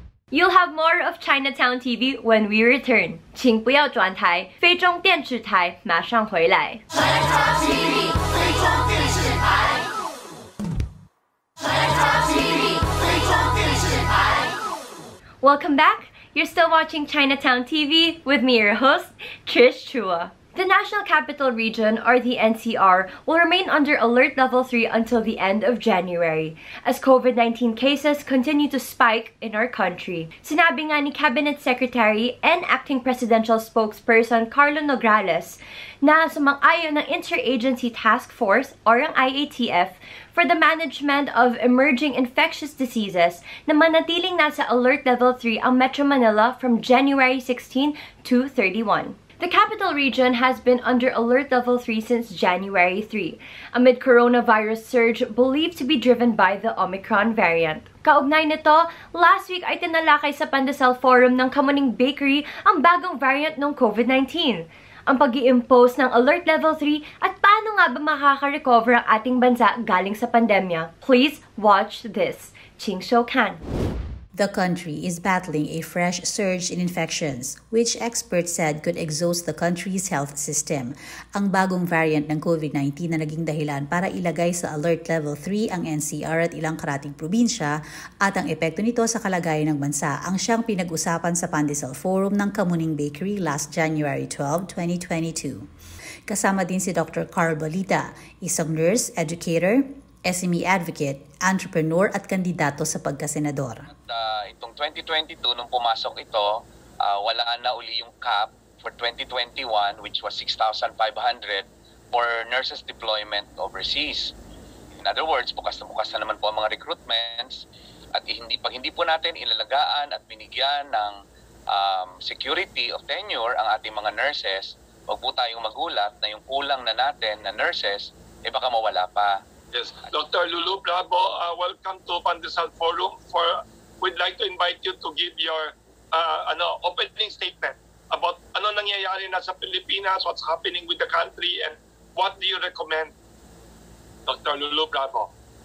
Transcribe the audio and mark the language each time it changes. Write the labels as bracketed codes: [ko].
[en] You'll have more of Chinatown TV when we return. [zh] 请不要转台，非中电视台马上回来。 Chinatown TV， 非中电视台。Chinatown TV， 非中电视台。 [en] Welcome back. You're still watching Chinatown TV with me, your host, Trish Chua. The National Capital Region, or the NCR, will remain under Alert Level 3 until the end of January, as COVID-19 cases continue to spike in our country. [tl] Sinabi nga ni Cabinet Secretary and Acting Presidential Spokesperson Carlo Nograles na sumang-ayo ng Interagency Task Force, or ang IATF, [en] for the management of emerging infectious diseases [tl] na manatiling nasa Alert Level 3 ang Metro Manila [en] from January 16 to 31. The capital region has been under alert level 3 since January 3, amid coronavirus surge believed to be driven by the Omicron variant. [tl] Kaugnay nito, [en] last week [tl] ay tinalakay sa Pandesal Forum ng Kamuning Bakery ang bagong variant ng COVID-19, ang pag-i-impose ng alert level 3 at paano nga ba makaka-recover ang ating bansa galing sa pandemya. [en] Please watch this. Ching Shou Kan. The country is battling a fresh surge in infections, which experts said could exhaust the country's health system. [tl] Ang bagong variant ng COVID-19 na naging dahilan para ilagay sa Alert Level 3 ang NCR at ilang karating probinsya at ang epekto nito sa kalagayan ng bansa ang siyang pinag-usapan sa Pandesal Forum ng Kamuning Bakery [en] last January 12, 2022. [tl] Kasama din si Dr. Carl Balita, isang nurse, educator, SME advocate, entrepreneur at kandidato sa pagkasenador. Itong 2022, nung pumasok ito, wala na uli yung cap for 2021, [en] which was 6,500 for nurses deployment overseas. In other words, [tl] bukas na naman po ang mga recruitments at pag hindi po natin inalagaan at binigyan ng security of tenure ang ating mga nurses, huwag po tayong magulat na yung kulang na natin na nurses, baka mawala pa. [en] Yes. Dr. Lulu Bravo, welcome to Pandesal Forum. We'd like to invite you to give your opening statement about [tl] ano nangyayari na sa Pilipinas, [en] what's happening with the country, and what do you recommend, Dr. Lulu Bravo?